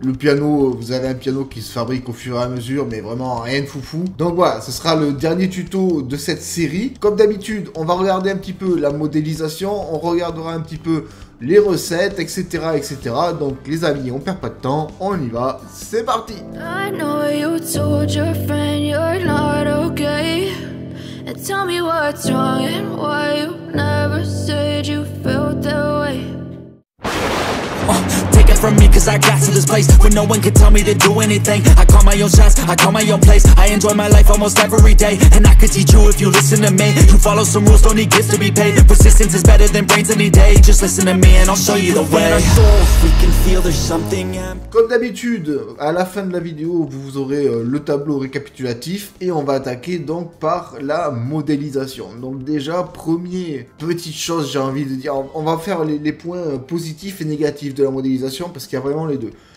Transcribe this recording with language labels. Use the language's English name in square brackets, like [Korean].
[French] Le piano, vous avez un piano qui se fabrique au fur et à mesure, mais vraiment rien de foufou. Donc voilà, ce sera le dernier tuto de cette série. Comme d'habitude, on va regarder un petit peu la modélisation, on regardera un petit peu les recettes, etc, etc. Donc les amis, on perd pas de temps, on y va, c'est parti. [English] I know you told your friend you're not okay. And tell me what's wrong and why you never said you felt that way. Take it from me, cause I got to this place where no one can tell me to do anything. I call my own shots, I call my own place. I enjoy my life almost every day. And I could teach you if you listen to me. You follow some rules, don't need gifts to be paid. Persistence is better than brains any day. Just listen to me and I'll show you the way. [French] Comme d'habitude, à la fin de la vidéo, vous aurez le tableau récapitulatif. Et on va attaquer donc par la modélisation. Donc déjà, première petite chose, j'ai envie de dire. On va faire les points positifs et négatifs de la modélisation, parce qu'il y a vraiment les deux.